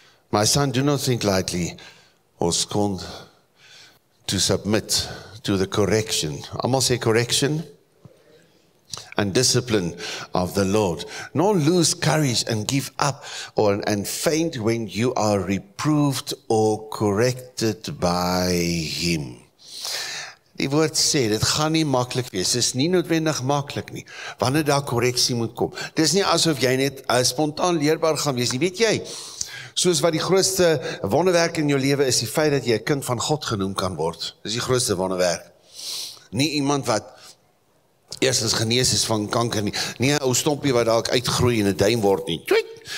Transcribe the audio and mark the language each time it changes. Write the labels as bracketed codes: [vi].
[en] My son, do not think lightly or scorn to submit to the correction. I must say correction and discipline of the Lord. Nor lose courage and give up or and faint when you are reproved or corrected by him. [af] Die woord sê, dit gaan nie makkelijk wees, dit is nie noodwendig makkelijk nie, wanneer daar korreksie moet kom. Dit is nie asof jy net spontaan leerbaar gaan wees nie, weet jy, soos wat die grootste wonderwerk in jou leven is, die feit dat jy 'n kind van God genoem kan word, dit is die grootste wonderwerk. Nie iemand wat eerstens genees is van kanker nie, nie een ou stompie wat daar uitgroei en 'n duim word nie, tweet.